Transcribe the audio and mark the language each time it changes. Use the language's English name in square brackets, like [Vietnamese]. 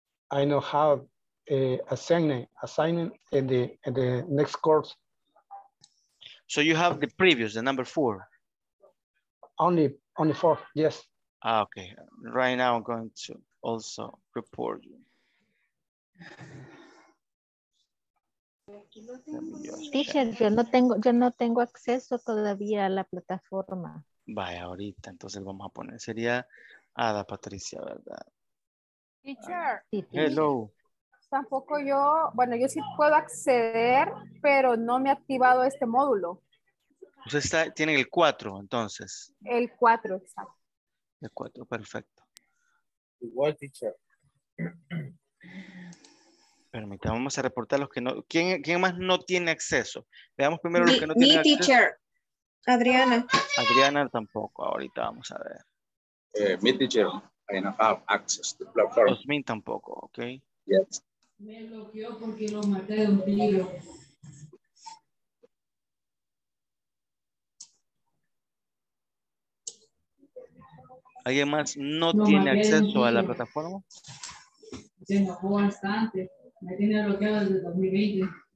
[English] I know how assignment in the next course. So you have the previous, the number four? Only four, yes. Ah, okay. Right now I'm going to also report you. [Spanish] Teacher, yo no tengo acceso todavía a la plataforma. Vaya, ahorita entonces vamos a poner, sería Ada Patricia, ¿verdad? [English] Teacher. Hello. [Spanish] Tampoco yo, bueno, yo sí puedo acceder, pero no me ha activado este módulo. Usted está, tiene el 4, entonces. El 4, exacto. El 4, perfecto. Igual, teacher. Permítame, vamos a reportar los que no. ¿Quién más no tiene acceso? Veamos primero los que no tienen acceso. Mi teacher, Adriana. Adriana tampoco, ahorita vamos a ver. [English] Mi teacher, I don't have access to the platform. [Spanish] Osmin tampoco, ok. [English] Yes. [Spanish] Me bloqueó porque lo maté de un tiro. ¿Alguien más no tiene acceso a la plataforma? Se enojó bastante. Me tiene bloqueado desde 2020.